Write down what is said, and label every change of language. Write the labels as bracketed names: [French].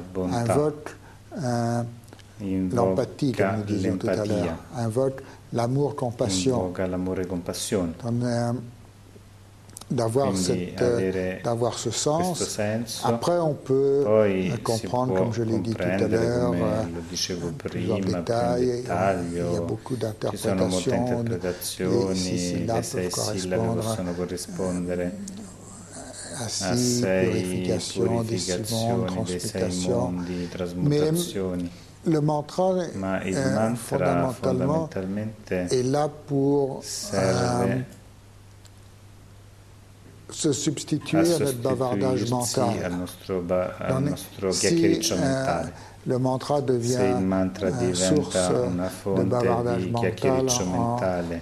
[French] Invoque l'empathie, comme nous disions tout à l'heure. Invoque l'amour-compassion. Invoque l'amour-compassion. D'avoir, [Italian] quindi, [French] cette, d'avoir ce sens. [Italian] Senso. [French] Après, on peut [Italian] poi [French] comprendre, comme je l'ai dit tout à l'heure, [Italian] lo dicevo prima, dettagli, più in dettaglio, [French] il y a beaucoup d'interprétations, les six syllabes [Italian] possono corrispondere [French] à [Italian] sei [French] purifications, [Italian] trasmutazioni. [French] Le mantra, [Italian] ma il mantra fondamentalmente [French] est là pour [Italian] serve [French] se substituer à notre bavardage mental. [Italian] Al nostro chiacchiericcio mentale. [French] Le mantra devient [Italian] diventa una fonte [French] de bavardage [Italian] di chiacchiericcio mentale,